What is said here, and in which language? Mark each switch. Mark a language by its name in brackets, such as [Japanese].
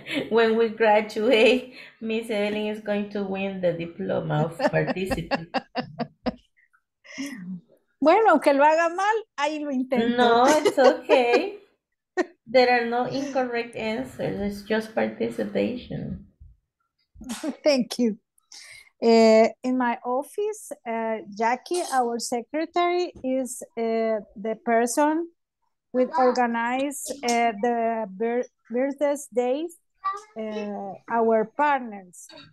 [English] When we graduate, Miss Evelyn is going to win the diploma of participant. [Spanish] Bueno, que lo haga mal, ahí lo intento. [English] No, it's okay. There are no incorrect answers, it's just participation. Thank you. In my office, Jackie, our secretary, is the person we organize the birthday days, our partners.